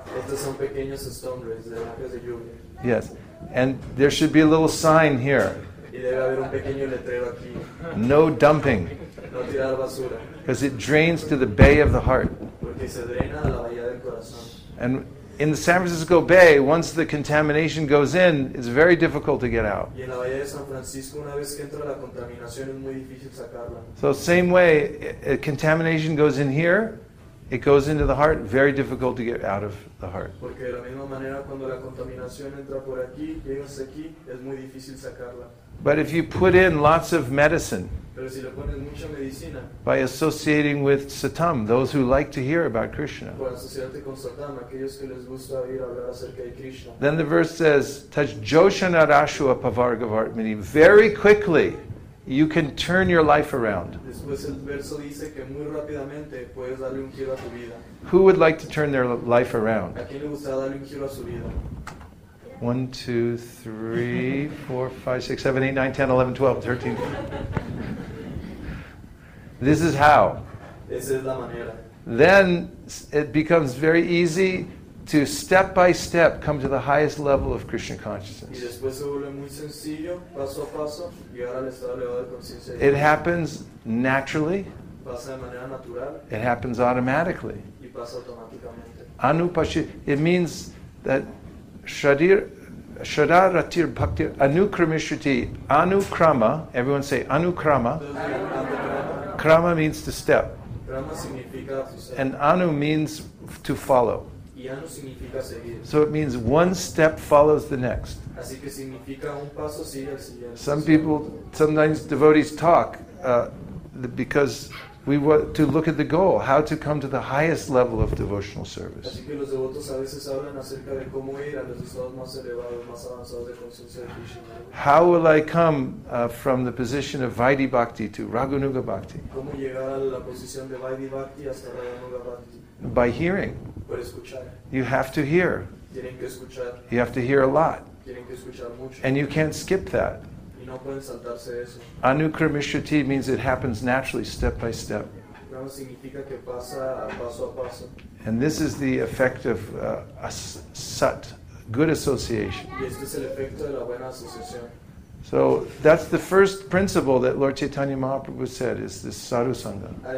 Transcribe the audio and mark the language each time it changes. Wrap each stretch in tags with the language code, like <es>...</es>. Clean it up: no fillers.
<es>Estos son pequeños storm drains, drenajes de lluvia.</es> <en>Yes, and there should be a little sign here.</en> <es>Y debe haber un pequeño letrero aquí.</es> <en>No dumping.</en> <es>No tirar basura.</es> <en>Because it drains to the bay of the heart.</en> <es>Porque se drena a la bahía del corazón.</es> <en>And in the San Francisco Bay, once the contamination goes in, it's very difficult to get out.</en> <es>Y en la bahía de San Francisco, una vez que entra la contaminación, es muy difícil sacarla.</es> <en>So same way, contamination goes in here, it goes into the heart, very difficult to get out of the heart.</en> <es>Porque de la misma manera, cuando la contaminación entra por aquí, llega hasta aquí, es muy difícil sacarla.</es> <en>But if you put in lots of medicine,</en> <es>pero si le pones mucha medicina,</es> <en>by associating with Satam, those who like to hear about Krishna,</en> <es>por asociarte con Satam, aquellos que les gusta oír hablar acerca de Krishna,</es> <en>then the verse says, Tajjoshanarashua Pavargavartmini, very quickly you can turn your life around.</en> <es>Después el verso dice que muy rápidamente puedes darle un giro a tu vida.</es> <en>Who would like to turn their life around?</en> <es>¿A quién le gustaría darle un giro a su vida?</es> <en>1, 2, 3, 4, 5, 6, 7, 8, 9, 10, 11, 12, 13. This is how.</en> <es>Esa es la manera.</es> <en>Then it becomes very easy to step by step come to the highest level of Krishna consciousness.</en> <es>Y después se vuelve muy sencillo, paso a paso, llegar al estado elevado de conciencia.</es> <en>It happens naturally.</en> <es>Pasa de manera natural.</es> <en>It happens automatically.</en> <es>Y pasa automáticamente.</es> <sa>Anupashit.</sa> <en>It means that</en> <sa>Shradar Ratir Bhakti Anukramishriti Anukrama,</sa> <en>everyone say</en> <sa>Anukrama.</sa> <en>Krama means to step.</en> <es>Krama significa</es> <en>to step. And Anu means to follow.</en> <es>Y Anu significa seguir.</es> <en>So it means one step follows the next.</en> <es>Así que significa un paso sigue al siguiente.</es> <en>Some people, sometimes devotees talk because we want to look at the goal, how to come to the highest level of devotional service.</en> <es>Así que los devotos a veces hablan acerca de cómo ir a los estados más elevados, más avanzados de conciencia de Krishna.</es> <en>How will I come from the position of Vaidhi Bhakti to Raghunuga Bhakti?</en> <es>¿Cómo llegar a la posición de Vaidhi Bhakti hasta Raghunuga Bhakti?</es> <en>By hearing.</en> <es>Por escuchar.</es> <en>You have to hear.</en> <es>Tienen que escuchar.</es> <en>You have to hear a lot.</en> <es>Tienen que escuchar mucho.</es> <en>And you can't skip that.</en> <es>Y no pueden saltarse eso.</es> <en>Anukra Mishruti means it happens naturally, step by step.</en> <es>No, significa que pasa paso a paso.</es> <en>And this is the effect of a sat, good association.</en> <es>Y este es el efecto de la buena asociación.</es> <en>So that's the first principle that Lord Chaitanya Mahaprabhu said is this sadhu sangha.</en>